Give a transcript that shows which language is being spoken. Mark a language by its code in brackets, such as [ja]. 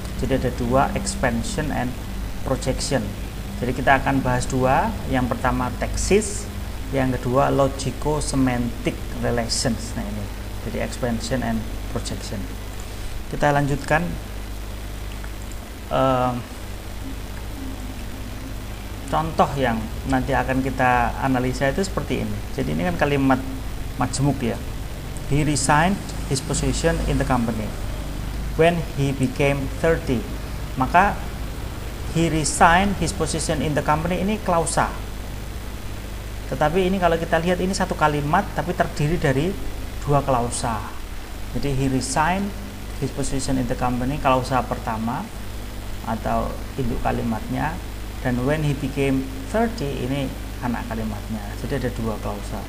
[id] Jadi ada dua, [en] expansion and projection. [id] Jadi kita akan bahas dua, yang pertama taxis, yang kedua logico semantic relations. Nah ini, jadi [en] expansion and projection. [id] Kita lanjutkan. Contoh yang nanti akan kita analisa itu seperti ini. Jadi ini kan kalimat majemuk ya. [en] He resigned his position in the company when he became 30. [id] Maka [en] he resigned his position in the company [id] ini klausa. Tetapi ini kalau kita lihat ini satu kalimat tapi terdiri dari dua klausa. Jadi [en] he resigned his position in the company [id] klausa pertama atau induk kalimatnya, dan [en] when he became 30 [id] ini anak kalimatnya. Jadi ada dua klausa.